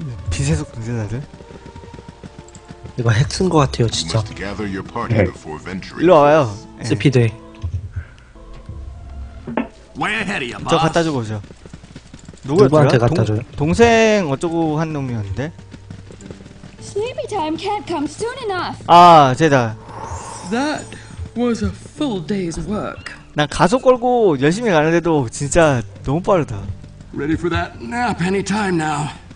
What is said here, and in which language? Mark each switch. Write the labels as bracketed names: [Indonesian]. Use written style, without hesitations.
[Korean] 빛의 속도인데, 다들? 이거 핵 쓴 거 같아요, 진짜. 네. 일로 와요. 네. 스피드. 저 갖다 주고 오죠. 누구한테 갖다 줘요? 동생 어쩌고 한 놈이었는데? [English] Sleepy time can't come soon enough. [Korean] 아, 제다. [English] That was a full day's work. [Korean] 난 가속 걸고 열심히 가는데도 진짜 너무 빠르다. [English] Ready for that nap anytime now.